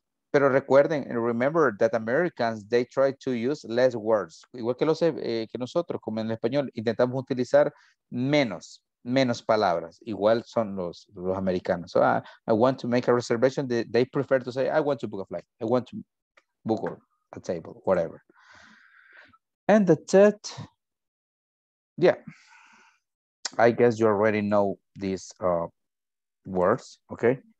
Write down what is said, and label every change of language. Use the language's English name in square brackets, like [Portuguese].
[Spanish] Pero recuerden, [English] remember that Americans, they try to use less words. [Spanish] Igual que, los, que nosotros, como en el español, intentamos utilizar menos, menos palabras. Igual son los americanos. [English] So I want to make a reservation. They prefer to say, I want to book a flight. I want to book a table, whatever. And the third, yeah. I guess you already know these words, okay?